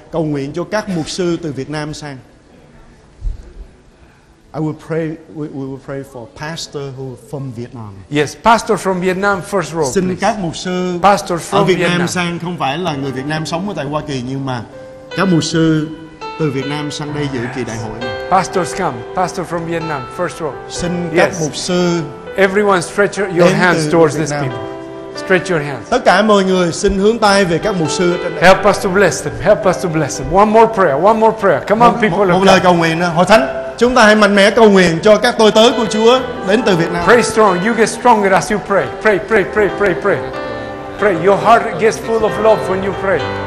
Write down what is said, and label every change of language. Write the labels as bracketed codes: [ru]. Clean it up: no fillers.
[vi] Cầu nguyện cho các mục sư từ Việt Nam sang. [en] I will pray. We will pray for pastor who from Vietnam. Yes, pastor from Vietnam, first row. [vi] Xin các mục sư [en] pastor from [vi] ở Việt [en] Vietnam. [vi] Nam sang, không phải là người Việt Nam sống ở tại Hoa Kỳ, nhưng mà các mục sư từ Việt Nam sang đây dự kỳ đại hội. [en] Pastors come. Pastor from Vietnam, first row. [vi] Xin các mục sư. [en] Everyone, stretch your hands towards these people. Stretch your hands. [vi] Tất cả mọi người xin hướng tay về các mục sư trên đây. [en] Help us to bless them. Help us to bless them. One more prayer. One more prayer. Come on, people. [vi] Một lời cầu nguyện nữa. Hội thánh, chúng ta hãy mạnh mẽ cầu nguyện cho các tôi tớ của Chúa đến từ Việt Nam. [en] Pray strong. You get stronger as you pray. Pray, pray, pray, pray, pray. Pray. Your heart gets full of love when you pray.